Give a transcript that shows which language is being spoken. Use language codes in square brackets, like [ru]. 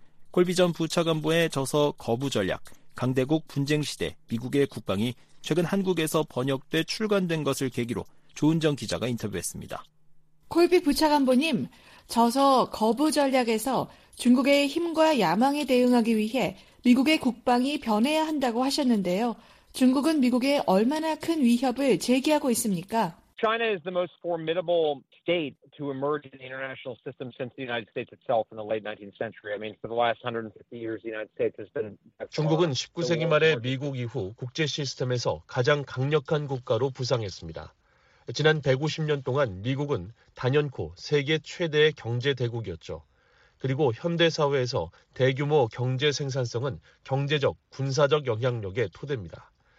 [ko] 콜비 전 부차관보의 저서 거부전략, 강대국 분쟁시대 미국의 국방이 최근 한국에서 번역돼 출간된 것을 계기로 조은정 기자가 인터뷰했습니다. 콜비 부차관보님, 저서 거부전략에서 중국의 힘과 야망에 대응하기 위해 미국의 국방이 변해야 한다고 하셨는데요. 중국은 미국에 얼마나 큰 위협을 제기하고 있습니까? [en] China is the most formidable state to emerge in the international system since the United States itself in the late 19th century. I mean, for the last 150 years, the United States has been. [ko] 중국은 19세기 말에 미국 이후 국제 시스템에서 가장 강력한 국가로 부상했습니다. 지난 150년 동안 미국은 단연코 세계 최대의 경제 대국이었죠. 그리고 현대 사회에서 대규모 경제 생산성은 경제적, 군사적 영향력의 토대입니다.